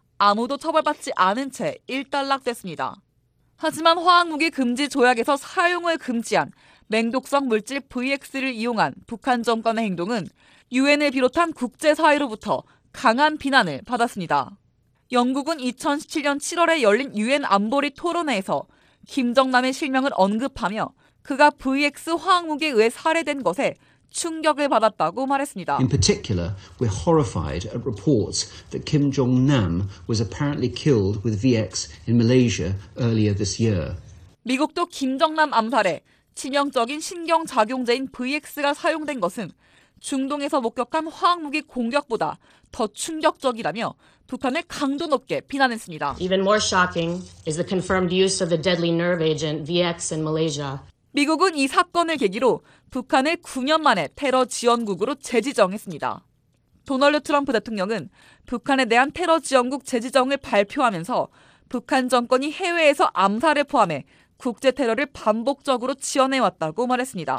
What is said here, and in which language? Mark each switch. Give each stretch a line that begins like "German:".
Korean: 아무도 처벌받지 않은 채 일단락됐습니다. 하지만 화학무기 금지 조약에서 사용을 금지한 맹독성 물질 VX를 이용한 북한 정권의 행동은 유엔을 비롯한 국제사회로부터 강한 비난을 받았습니다. 영국은 2017년 7월에 열린 유엔 안보리 토론회에서 김정남의 실명을 언급하며 그가 VX 화학무기에 의해 살해된 것에 충격을 받았다고 말했습니다.
English: In particular, we're horrified at reports that Kim Jong-nam was apparently killed with VX in Malaysia earlier this year.
Korean: 미국도 김정남 암살에 치명적인 신경작용제인 VX가 사용된 것은 중동에서 목격한 화학무기 공격보다 더 충격적이라며 북한을 강도 높게 비난했습니다.
English: Even more shocking is the confirmed use of the deadly nerve agent VX in Malaysia.
Korean: 미국은 이 사건을 계기로 북한을 9년 만에 테러 지원국으로 재지정했습니다. 도널드 트럼프 대통령은 북한에 대한 테러 지원국 재지정을 발표하면서 북한 정권이 해외에서 암살을 포함해 국제 테러를 반복적으로 지원해왔다고 말했습니다.